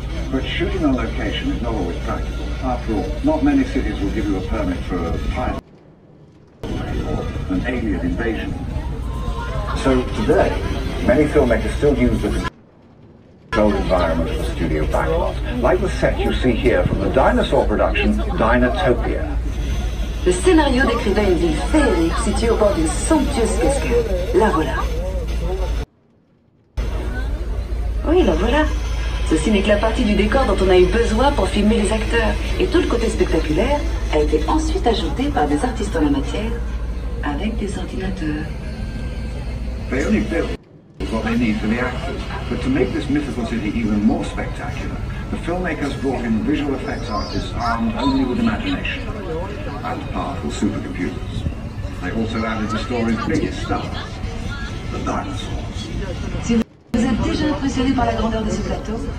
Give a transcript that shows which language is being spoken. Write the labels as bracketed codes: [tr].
[en] But shooting on location is not always practical. After all, not many cities will give you a permit for a pirate or an alien invasion. So today, many filmmakers still use the controlled environment of the studio backlot, like the set you see here from the dinosaur production Dinotopia. [fr] Le scénario décrivait une ville féerique située au bord d'une somptueuse cascade. La voilà. Oui, la voilà. Ceci n'est que la partie du décor dont on a eu besoin pour filmer les acteurs. Et tout le côté spectaculaire a été ensuite ajouté par des artistes en la matière avec des ordinateurs. [en] They only built what they need for the actors. But to make this mythical city even more spectacular, the filmmakers brought in visual effects artists armed only with imagination and powerful supercomputers. They also added the story's biggest star, the dinosaurs. [fr] Vous êtes déjà impressionné par la grandeur de ce plateau?